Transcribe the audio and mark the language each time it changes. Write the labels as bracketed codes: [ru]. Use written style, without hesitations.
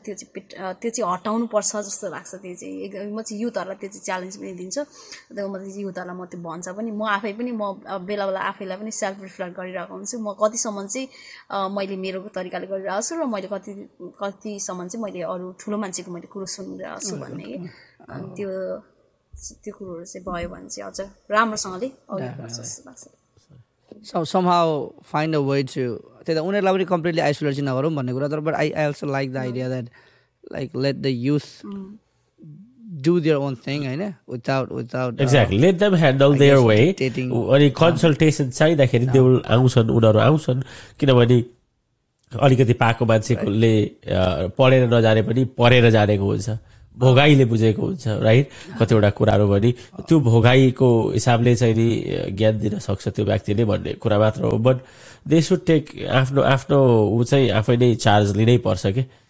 [ne] त्यो चाहिँ हटाउनुपर्छ जस्तो लाग्छ. त्यो चाहिँ एकदम म चाहिँ युथहरूलाई त्यो चाहिँ च्यालेन्ज पनि दिन्छु, त्यो म चाहिँ युथहरूलाई म त्यो भन्छ पनि, म आफै पनि म बेला बेला आफैलाई पनि सेल्फ रिफ्लेक्ट गरिरहेको हुन्छु म कतिसम्म चाहिँ मैले मेरो तरिकाले गरिरहेको छु र मैले कतिसम्म चाहिँ मैले अरू ठुलो मान्छेको मैले कुरो सुनिरहेको छु भन्ने कि त्यो कुरोहरू चाहिँ भयो भने चाहिँ अझ राम्रोसँगले अघि बढ्छ जस्तो लाग्छ. [en] So somehow find a way to that one [ne] la pani completely isolate na garum bhanne kura, [en] but I also like the idea that like let the youth do their own thing haina without exactly let them handle their way [ne] or a consultation chai da khere [en] they will [ne] aunchan unaru aunchan kina bhane alikati paako manchekule padera najane pani parera janeko huncha भोगाईले बुझेको हुन्छ right. कतिवटा कुराहरू भने त्यो भोगाईको हिसाबले चाहिँ नि ज्ञान दिन सक्छ त्यो व्यक्तिले भन्ने कुरा मात्र हो. [en] but they should take [ne] आफ्नो ऊ चाहिँ आफै नै चार्ज लिनै पर्छ कि